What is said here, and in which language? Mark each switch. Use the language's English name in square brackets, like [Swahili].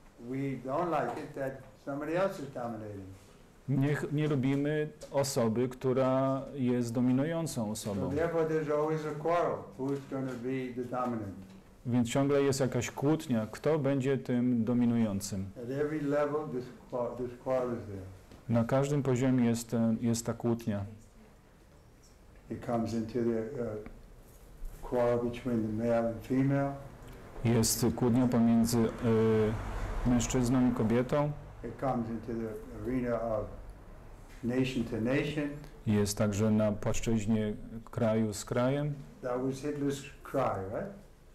[English] We don't like it that somebody else is dominating. [Polish] Nie lubimy osoby, która jest dominującą osobą. [English] So therefore there's always a quarrel, who's going to be the dominant. [Polish] Więc ciągle jest jakaś kłótnia, kto będzie tym dominującym. [English] At every level this quarrel is there. [Polish] Na każdym poziomie jest ta kłótnia. [English] It comes into the quarrel between the male and female. [Polish] Jest kłótnia pomiędzy mężczyzną i kobietą. [English] It comes into the arena of nation to nation. [Polish] Jest także na płaszczyźnie kraju z krajem. [English] That was Hitler's cry, right?